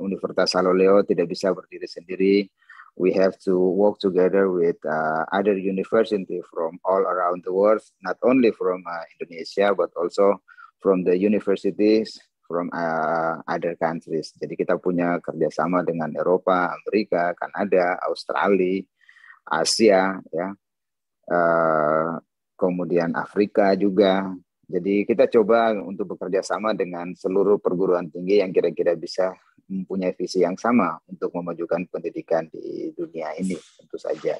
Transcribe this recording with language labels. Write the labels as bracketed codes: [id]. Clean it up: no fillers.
[id] Universitas Halu Leo tidak bisa berdiri sendiri. [en] We have to work together with other university from all around the world, not only from Indonesia but also from the universities from other countries. [id] Jadi kita punya kerjasama dengan Eropa, Amerika, Kanada, Australia, Asia, ya, kemudian Afrika juga. Jadi kita coba untuk bekerjasama dengan seluruh perguruan tinggi yang kira-kira bisa mempunyai visi yang sama untuk memajukan pendidikan di dunia ini, tentu saja.